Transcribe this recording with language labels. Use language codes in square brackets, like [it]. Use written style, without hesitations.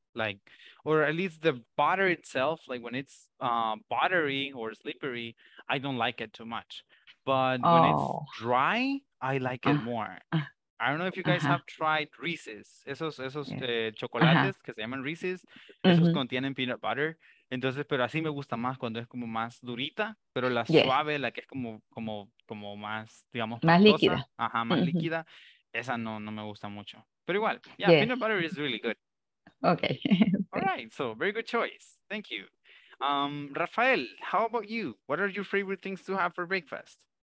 [en] Like, or at least the butter itself, like when it's buttery or slippery, I don't like it too much. But when it's dry, I like it more. I don't know if you guys have tried Reese's. [es] Esos chocolates que se llaman Reese's. Esos contienen peanut butter. Entonces, pero así me gusta más cuando es como más durita, pero la suave, la que es como más, digamos, más líquida. Ajá, más líquida. Esa no me gusta mucho. Pero igual, [en] yeah, peanut butter is really good. Okay. All right, so very good choice. Thank you. Rafael, how about you? What are your favorite things to have for breakfast?